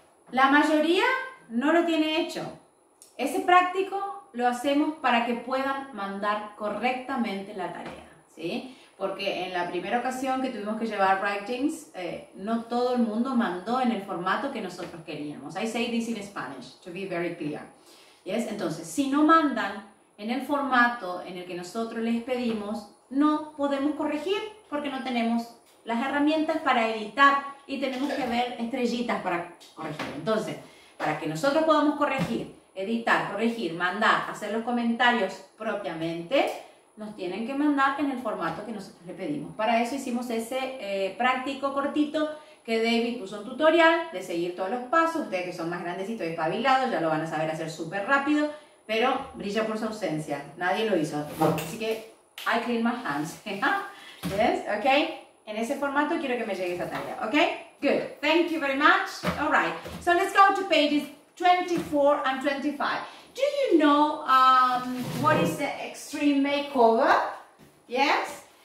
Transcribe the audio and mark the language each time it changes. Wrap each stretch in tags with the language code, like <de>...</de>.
<es>La mayoría no lo tiene hecho. Ese práctico lo hacemos para que puedan mandar correctamente la tarea, ¿sí? Porque en la primera ocasión que tuvimos que llevar writings, no todo el mundo mandó en el formato que nosotros queríamos.</es> <en>I say this in Spanish, to be very clear. ¿Yes?</en> <es>Entonces, si no mandan en el formato en el que nosotros les pedimos, no podemos corregir porque no tenemos las herramientas para editar y tenemos que ver estrellitas para corregir. Entonces, para que nosotros podamos corregir, editar, corregir, mandar, hacer los comentarios propiamente, nos tienen que mandar en el formato que nosotros le pedimos. Para eso hicimos ese práctico cortito que David puso un tutorial de seguir todos los pasos. Ustedes que son más grandecitos y espabilados ya lo van a saber hacer súper rápido. Pero brilla por su ausencia. Nadie lo hizo. Así que,</es> <en>I clean my hands. Yes, okay.</en> <es>En ese formato quiero que me llegue esa tarea.</es> <en>Okay, good. Thank you very much. All right. So let's go to pages 24 and 25. Do you know what is the extreme makeover? Yes?</en>